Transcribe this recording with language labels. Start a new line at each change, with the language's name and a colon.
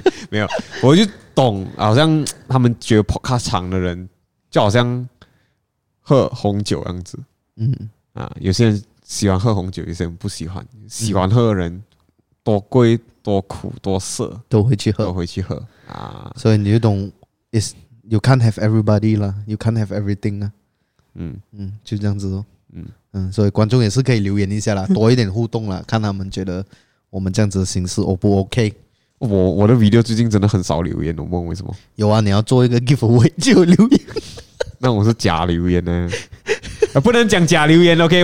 Chinese: 没有，我就懂，好像他们觉得 podcast 长的人，就好像。喝红酒样子，嗯啊，有些人喜欢喝红酒，有些人不喜欢。喜欢喝的人，多贵、多苦、多涩，都会去喝，都会去喝啊。所以你就懂
English: ，is you can't have everybody 啦 ，you can't have everything 啊。
Chinese: 嗯嗯，就这样子哦。嗯嗯，所以观众也是可以留言一下啦，多一点互动啦，看他们觉得我们这样子的形式 O 不 OK。我的 video 最近真的很少留言，我问为什么？有啊，你要做一个 giveaway 就有留言。那我是假留言呢？不能讲假留言 ，OK？